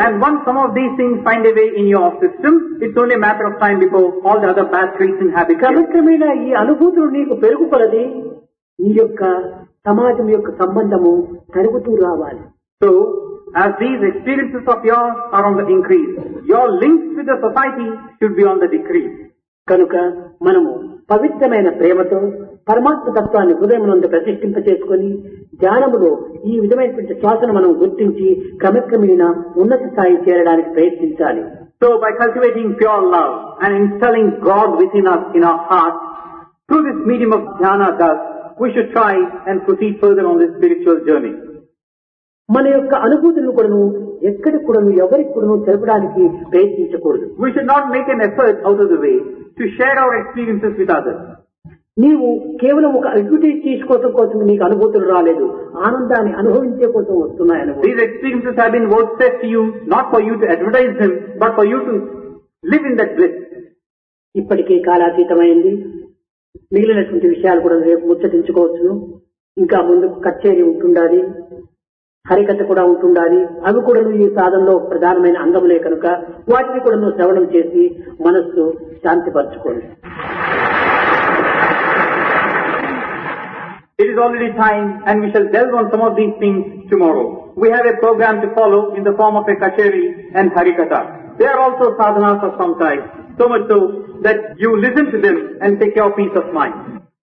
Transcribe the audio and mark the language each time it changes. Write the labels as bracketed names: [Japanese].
[English] And once some of these things find a way in your system, it's only a matter of time before all the other bad things in habit. [Telugu] క్రమక్రమేణ ఈ అనుభూతులు నీకు పెరుగుకొలది నీ యొక్క సమాజం యొక్క సంబంధము పెరుగుతూ రావాలి. [English] So, as these experiences of yours are on the increase, your links with the society should be on the decrease. [Telugu] కనుక మనము పవిత్రమైన ప్రేమతో పరమాత్మ తత్వాన్ని హృదయమునందు ప్రతిష్ఠింప చేసుకుని ధ్యానములో ఈ విధమైనటువంటి శ్వాసను మనం గుర్తించి క్రమక్రమేణ ఉన్నత స్థాయి చేరడానికి ప్రయత్నించాలి. [English] So by cultivating pure love and installing God within our heart through this medium of ధ్యాన దాస్, we should try and proceed further on this spiritual journey. [Telugu] మన యొక్క అనుభూతులను కూడాను ఎక్కడి కూడాను ఎవరికి కూడాను తెలపడానికి ప్రయత్నించకూడదు. [English] We should not make an effort out of the way to share our experiences with others. [Telugu] నీవు కేవలం ఒక అడ్వర్టైజ్ కోసం నీకు అనుభూతులు రాలేదు, ఆనందాన్ని అనుభవించే కోసం వస్తున్నాయను. [English] These experiences have been worth it to you, not for you to advertise them, but for you to live in that bliss. [Telugu] ఇప్పటికే కాలాతీతమైంది, మిగిలినటువంటి విషయాలు కూడా రేపు ముచ్చటించుకోవచ్చు. ఇంకా ముందుకు కచేరీ ఉంటుండాలి, హరికథ కూడా ఉంటుండాలి. అవి కూడా ఈ సాధనలో ప్రధానమైన అంగములే కనుక వాటిని కూడా నువ్వు శ్రవణం చేసి మనస్సు శాంతిపరచుకోండి. [English] It is already time and we shall delve on some of these things tomorrow. We have a program to follow in the form of a kacheri and harikatha. They are also sadhanas of some type, so much so that you listen to them and take your peace of mind.